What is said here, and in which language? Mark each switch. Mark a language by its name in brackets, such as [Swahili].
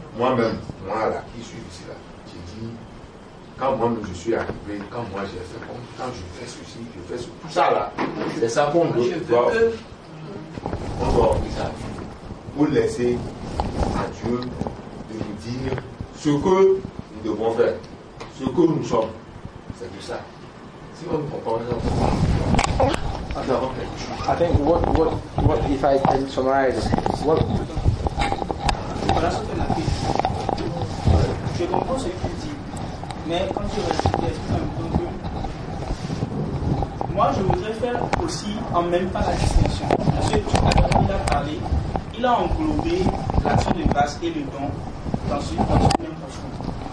[French] Moi-même, moi là, qui suis ici là, j'ai dit, quand moi-même je suis arrivé, quand moi j'ai fait, quand je fais ceci, je fais ce, tout ça là, c'est ça qu'on doit. On doit offrir ça. Pour laisser à Dieu de nous dire ce que nous devons faire, ce que nous sommes. C'est tout ça. Si on ne comprend pas, on ne comprend pas. [English] I think what if I can summarize what. [French] Voilà ce que la fille. Je comprends ce que tu dis, mais quand tu restes un bon Dieu, moi je voudrais faire aussi en même temps la distinction. Parce que tout à l'heure il a parlé, il a englobé l'action de grâce et le don dans une même offrande.